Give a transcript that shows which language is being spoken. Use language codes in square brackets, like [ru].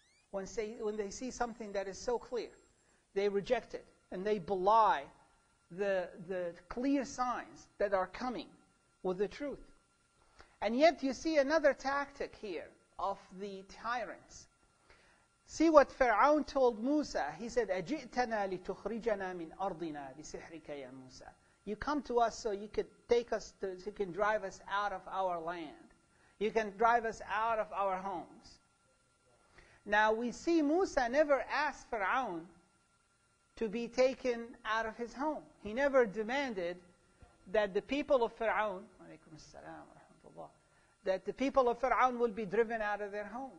[en] When they see something that is so clear, they reject it and they belie the clear signs that are coming with the truth. And yet you see another tactic here of the tyrants. See what Fir'aun told Musa. He said, [ar] أَجِئْتَنَا لِتُخْرِجَنَا مِنْ أَرْضِنَا بِسِحْرِكَ يَا مُوسَى. [en] You come to us so you could take us, so you can drive us out of our land. You can drive us out of our homes. Now we see Musa never asked Fir'aun to be taken out of his home. He never demanded that the people of Fir'aun, alaykum as-salam wa rahmatullah, that the people of Fir'aun will be driven out of their homes.